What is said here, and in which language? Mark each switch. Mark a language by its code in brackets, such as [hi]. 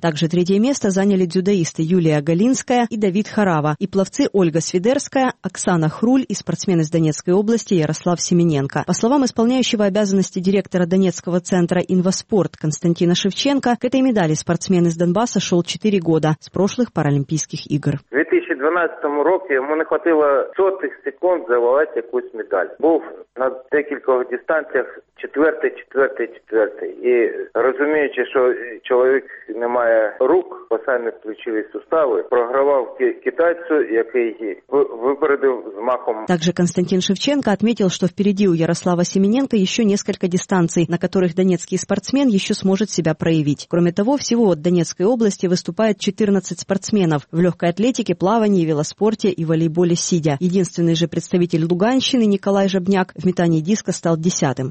[ru] Также третье место заняли дзюдоисты Юлия Галинская и Давид Харава, и пловцы Ольга Свидерская, Оксана Хруль и спортсмен из Донецкой области Ярослав Семененко. По словам исполняющего обязанности директора Донецкого центра «Инваспорт» Константина Шевченко, к этой медали спортсмен из Донбасса шел 4 года с прошлых Паралимпийских игр. В 2012 році ему не хватило сотых секунд завоевать якусь медаль. [uk] Був на декількох дистанціях четвертий. І розуміючи, що чоловік не має рук, пасальні плечові сустави, програвав китайцю, який випередив з махом. [ru] Также Константин Шевченко отметил, что впереди у Ярослава Семененко еще несколько дистанций, на которых донецкий спортсмен еще сможет себя проявить. Кроме того, всего от Донецкой области выступает 14 спортсменов в легкой атлетике, плавании, велоспорте и волейболе сидя. Единственный же представитель Луганщины Николай Жабняк в метании диска стал 10-м.